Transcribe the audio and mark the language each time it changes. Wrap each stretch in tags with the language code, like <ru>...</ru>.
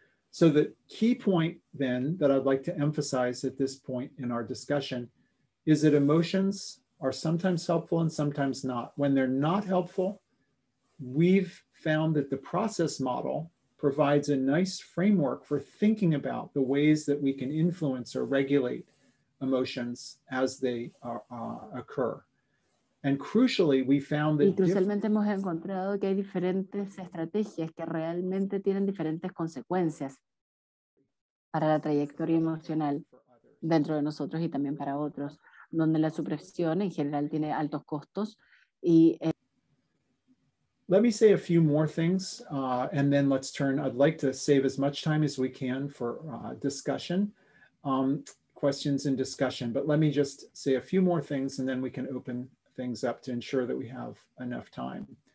<en>So the key point then that I'd like to emphasize at this point in our discussion is that emotions are sometimes helpful and sometimes not. When they're not helpful, we've found that the process model provides a nice framework for thinking about the ways that we can influence or regulate emotions as they occur. And crucially, we found that.</en> <es>Y crucialmente hemos encontrado que hay diferentes estrategias que realmente tienen diferentes consecuencias para la trayectoria emocional dentro de nosotros y también para otros, donde la supresión en general tiene altos costos. Y,</es> <en>Let me say a few more things, and then let's turn. I'd like to save as much time as we can for discussion. Questions and discussion, but let me just say a few more things and then we can open things up to ensure that we have enough time.</en>